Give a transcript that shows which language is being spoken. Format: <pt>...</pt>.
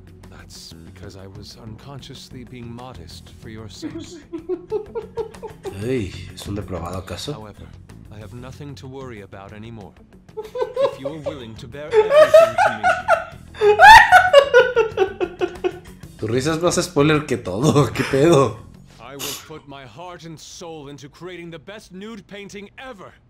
<en>That's because I was unconsciously being modest for your sake.</en> <es>Ay, ¿es un depravado acaso?</es> <en>However, I have nothing to worry about anymore. If you are willing to bear everything to me.</en> <es>Tu risa es más spoiler que todo, ¿qué pedo?</es> <en>I will put my heart and soul into creating the best nude painting ever.</en>